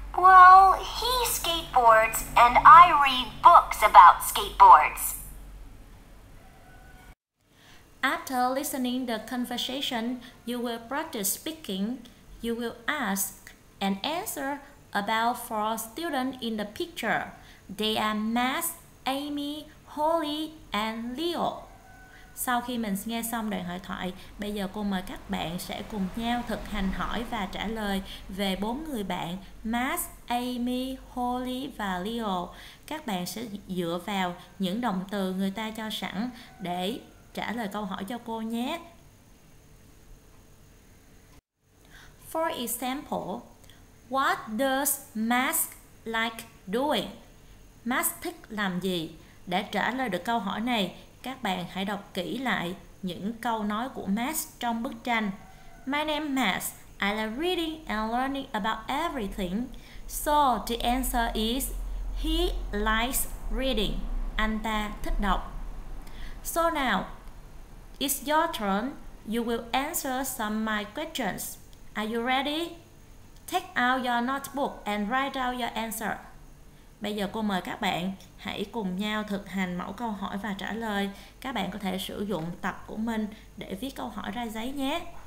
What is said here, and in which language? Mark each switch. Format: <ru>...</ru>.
<en>Well, he skateboards, and I read books about skateboards. After listening to the conversation, you will practice speaking. You will ask and answer about four students in the picture. They are Max, Amy, Holly, and Leo.</en> <vi>Sau khi mình nghe xong đoạn hội thoại, bây giờ cô mời các bạn sẽ cùng nhau thực hành hỏi và trả lời về bốn người bạn Max, Amy, Holly và Leo. Các bạn sẽ dựa vào những động từ người ta cho sẵn để trả lời câu hỏi cho cô nhé.</vi> <en>For example, what does Max like doing?</en> <vi>Max thích làm gì? Để trả lời được câu hỏi này, các bạn hãy đọc kỹ lại những câu nói của Max trong bức tranh.</vi> <en>My name is Max. I like reading and learning about everything. So the answer is he likes reading.</en> <vi>Anh ta thích đọc.</vi> <en>So now, It's your turn. You will answer some of my questions. Are you ready? Take out your notebook and write down your answer.</en> <vi>Bây giờ cô mời các bạn hãy cùng nhau thực hành mẫu câu hỏi và trả lời. Các bạn có thể sử dụng tập của mình để viết câu hỏi ra giấy nhé.</vi>